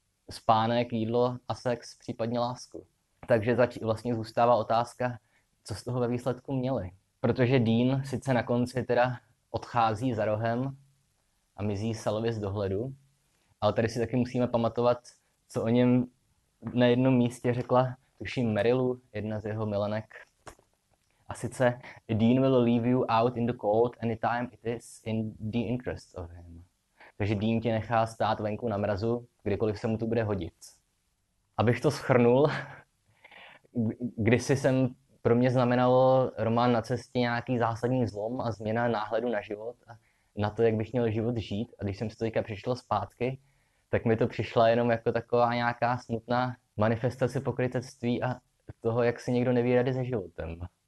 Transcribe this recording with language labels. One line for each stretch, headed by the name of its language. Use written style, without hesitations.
Czech: Spánek, jídlo a sex, případně lásku. Takže vlastně zůstává otázka, co z toho ve výsledku měli. Protože Dean sice na konci teda odchází za rohem a mizí Salově z dohledu, ale tady si taky musíme pamatovat, co o něm na jednom místě řekla, tuším Marilu, jedna z jeho milenek. A sice,
English: Dean will leave you out in the cold anytime it is in the interest of him.
Czech: Takže Dean tě nechá stát venku na mrazu, kdykoliv se mu to bude hodit. Abych to shrnul, kdysi jsem pro mě znamenalo román Na cestě nějaký zásadní zlom a změna náhledu na život a na to, jak bych měl život žít. A když jsem si to teďka přišel zpátky, tak mi to přišla jenom jako taková nějaká smutná manifestace pokrytectví a toho, jak si někdo neví rady se životem.